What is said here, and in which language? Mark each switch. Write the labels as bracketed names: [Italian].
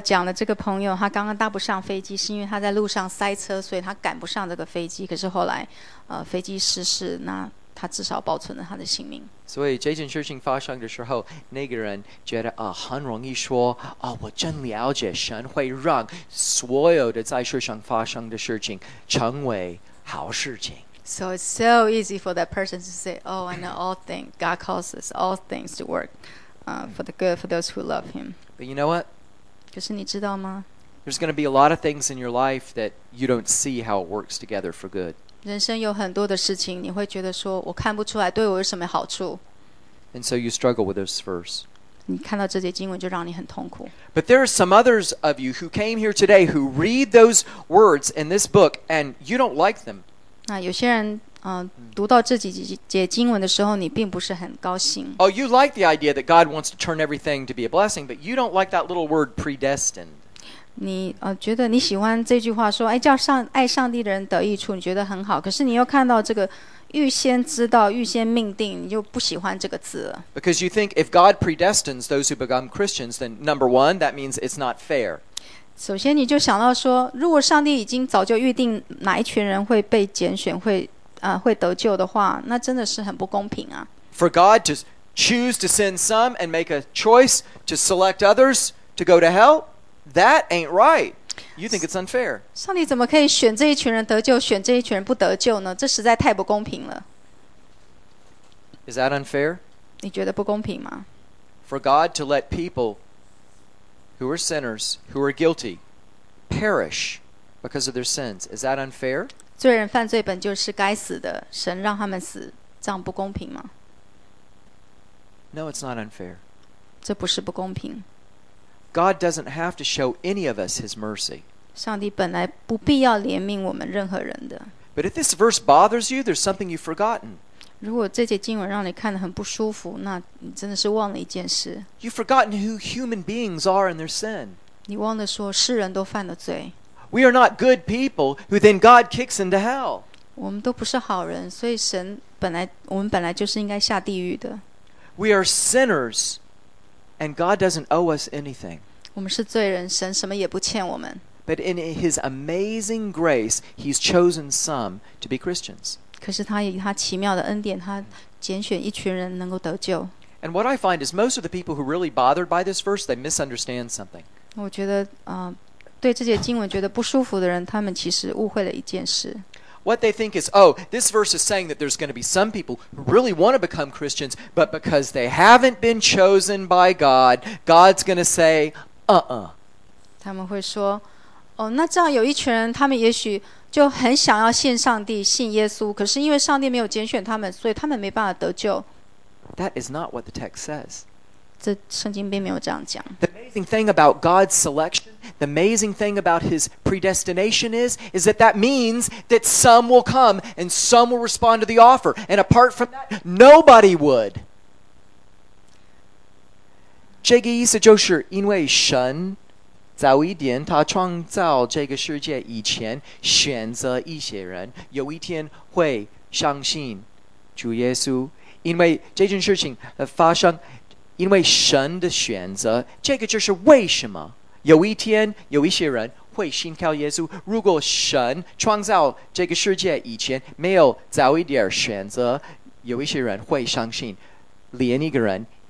[Chinese] 讲了这个朋友，他刚刚搭不上飞机，是因为他在路上塞车，所以他赶不上这个飞机。可是后来，飞机失事，那他至少保存了他的性命。所以这件事情发生的时候，那个人觉得很容易说我真了解神会让所有的在世上发生的事情成为好事情。 [English] So it's so easy for that person to say, "Oh, I know all things. God causes all things to work for the good for those who love Him." But you know what? [Chinese] 可是你知道吗 [English] There's going to be a lot of things in your life that you don't see how it works together for good. [Chinese] 人生有很多的事情，你会觉得说我看不出来对我有什么好处。 [English] And so you struggle with this verse. [Chinese] 你看到这些经文就让你很痛苦。 [English] But there are some others of you who came here today who read those words in this book and you don't like them. [Chinese] 那有些人读到这几节经文的时候，你并不是很高兴。 [English] Oh, you like the idea that God wants to turn everything to be a blessing, but you don't like that little word predestined. [Chinese] 你觉得你喜欢这句话说，哎，叫上爱上帝的人得益处，你觉得很好。可是你又看到这个。预先知道预先命定你就不喜欢这个字了 [English] Because you think if God predestines those who become Christians then number one that means it's not fair [Chinese] 首先你就想到说如果上帝已经早就预定哪一群人会被拣选 会得救的话那真的是很不公平啊 [English] For God to choose to send some and make a choice to select others to go to hell that ain't rightYou think it's unfair. [Chinese] 上帝怎么可以选这一群人得救，选这一群人不得救呢？这实在太不公平了。 [English] Is that unfair? [Chinese] 你觉得不公平吗？ [English] For God to let people who are sinners, who are guilty, perish because of their sins, is that unfair? [Chinese] 罪人犯罪本就是该死的，神让他们死，这样不公平吗？ [English] No, it's not unfair. [Chinese] 这不是不公平。 [English] God doesn't have to show any of us His mercy. [Chinese] 上帝本来不必要怜悯我们任何人的。 [English] But if this verse bothers you, there's something you've forgotten. [Chinese] 如果这节经文让你看得很不舒服，那你真的是忘了一件事。 [English] You've forgotten who human beings are in their sin. [Chinese] 你忘了说世人都犯了罪。 [English] We are not good people who then God kicks into hell. [Chinese] 我们都不是好人，所以神本来我们本来就是应该下地狱的。 [English] We are sinners. And God doesn't owe us anything. [Chinese] 我们是罪人，神什么也不欠我们。 [English] But in His amazing grace, He's chosen some to be Christians. [Chinese] 可是他以他奇妙的恩典，他拣选一群人能够得救。 [English] And what I find is most of the people who are really bothered by this verse, they misunderstand something. [Chinese] 我觉得对这节经文觉得不舒服的人，他们其实误会了一件事。 [English] What they think is, oh, this verse is saying that there's going to be some people who really want to become Christians, but because they haven't been chosen by God, God's going to say, uh-uh. [Chinese] 他们会说，哦，那这样有一群人，他们也许就很想要信上帝，信耶稣，可是因为上帝没有拣选他们，所以他们没办法得救。 [English] That is not what the text says. [Chinese] 这圣经并没有这样讲。 [English] The amazing thing about God's selection,The amazing thing about his predestination is that that means that some will come and some will respond to the offer. And apart from that, nobody would. [Chinese] 这个意思就是因为神早一点他创造这个世界以前选择一些人有一天会相信主耶稣因为这件事情发生因为神的选择这个就是为什么有一天有一些人会信靠耶稣如果神创造这个世界以前没有早一点选择有一些人会相信连一个人